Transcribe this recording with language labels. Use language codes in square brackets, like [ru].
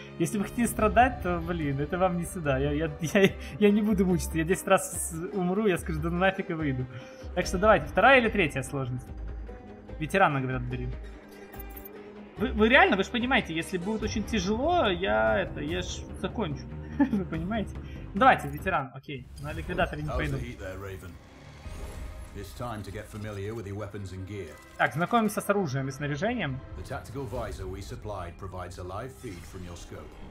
[ru] Если вы хотите страдать, то, блин, это вам не сюда. Я не буду мучиться. Я 10 раз умру, я скажу, да нафиг и выйду. Так что давайте, вторая или третья сложность? Ветерана, говорят, бери. Вы реально, вы же понимаете, если будет очень тяжело, я ж закончу. Вы понимаете? Давайте, ветеран, окей. На ликвидаторе не пойду. [en] It's time to get familiar with your weapons and gear. [ru] Так, знакомимся с оружием и снаряжением. [en] The tactical visor we supplied provides a live feed from your scope.